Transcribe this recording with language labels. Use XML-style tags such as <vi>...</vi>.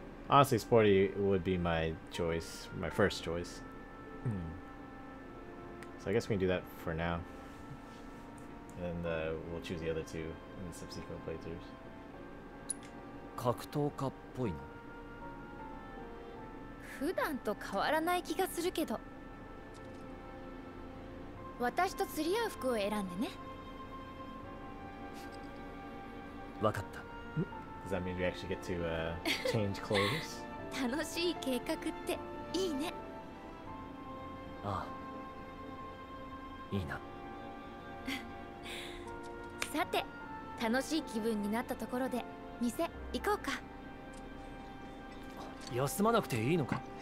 <en>Honestly, sporty would be my choice, my first choice. So I guess we can do that for now. And we'll choose the other two in subsequent playthroughs.</en> <ja>格闘家っぽいな。普段と変わらない気がするけど。私と釣り合う服を選んでね。わかった。</ja> <en>Does that mean we actually get to change clothes?</en> <ja>楽しい計画っていいね。ああ、いいな。さて、楽しい気分になったところで店行こうか。休まなくていいのか。</ja>